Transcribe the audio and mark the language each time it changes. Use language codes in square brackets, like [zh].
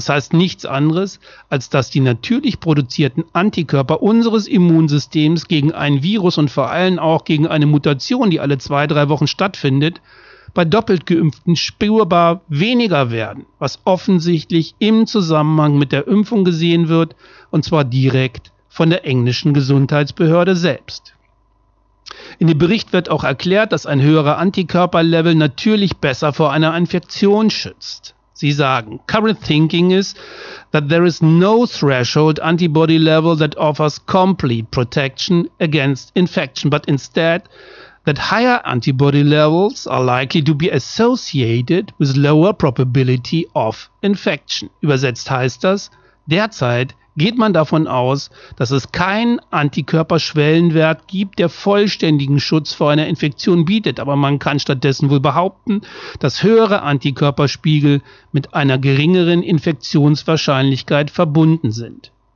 [de] Das heißt nichts anderes, als dass die natürlich produzierten Antikörper unseres Immunsystems gegen ein Virus und vor allem auch gegen eine Mutation, die alle 2-3 Wochen stattfindet, bei doppelt Geimpften spürbar weniger werden, was offensichtlich im Zusammenhang mit der Impfung gesehen wird, und zwar direkt von der englischen Gesundheitsbehörde selbst. In dem Bericht wird auch erklärt, dass ein höherer Antikörperlevel natürlich besser vor einer Infektion schützt. Sie sagen: [en] Current thinking is that there is no threshold antibody level that offers complete protection against infection, but instead that higher antibody levels are likely to be associated with lower probability of infection. [de] Übersetzt heißt das: Derzeit geht man davon aus, dass es keinen Antikörperschwellenwert gibt, der vollständigen Schutz vor einer Infektion bietet. Aber man kann stattdessen wohl behaupten, dass höhere Antikörperspiegel mit einer geringeren Infektionswahrscheinlichkeit verbunden sind.